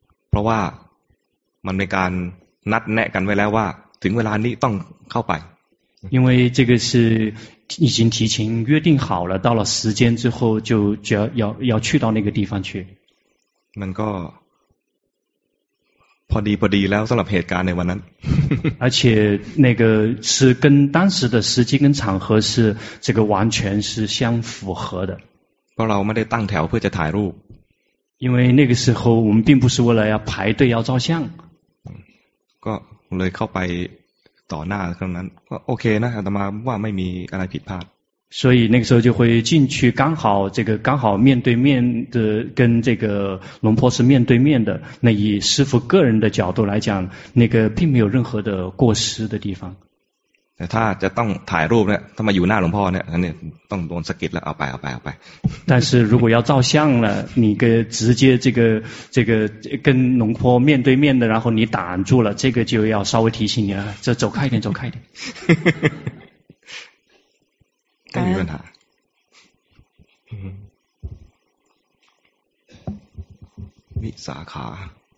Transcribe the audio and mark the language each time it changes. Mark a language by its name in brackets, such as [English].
[Thai] เพราะว่ามันเป็นการนัดแนะกันไว้แล้วว่าถึงเวลานี้ต้องเข้าไป [Chinese] 因为这个是已经提前约定好了到了时间之后就要去到那个地方去 [Thai] มันก็พอดีแล้วสำหรับเหตุการณ์ในวันนั้น [Chinese] 而且那个是跟当时的时机跟场合是这个完全是相符合的 [Thai] เพราะเราไม่ได้ตั้งแถวเพื่อจะถ่ายรูป [Chinese] 因为那个时候我们并不是为了要排队要照相 [Thai] ก็เลยเข้าไปต่อหน้าครั้งนั้นก็โอเคนะอาตมาว่าไม่มีอะไรผิดพลาด [Chinese] 所以那个时候就会进去刚好这个刚好面对面的跟这个龙婆是面对面的那以师父个人的角度来讲那个并没有任何的过失的地方 [Thai] แต่ถ้าจะต้องถ่ายรูปเนี่ยถ้ามาอยู่หน้าหลวงพ่อเนี่ยอันนี้ต้องโดนสะกิดแล้วเอาไป [Chinese] 但是如果要照相了你个直接这个跟龙坡面对面的然后你挡住了这个就要稍微提醒你了这走开一点走开一点该问他密萨卡